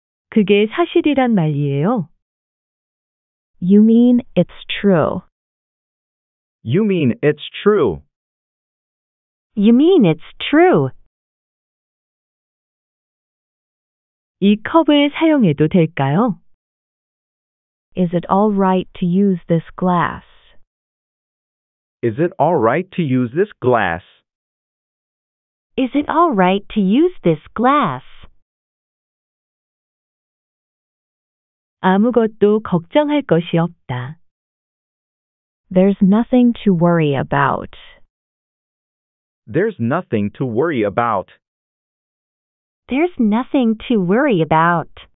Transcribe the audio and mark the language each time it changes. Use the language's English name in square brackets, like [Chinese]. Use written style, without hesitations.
[Korean] 그게 사실이란 말이에요? [English] You mean it's true. You mean it's true. You mean it's true. [Korean] 이 컵을 사용해도 될까요? [English] Is it all right to use this glass? Is it all right to use this glass? Is it all right to use this glass? [Korean] 아무것도 걱정할 것이 없다. [English] There's nothing to worry about. There's nothing to worry about. There's nothing to worry about.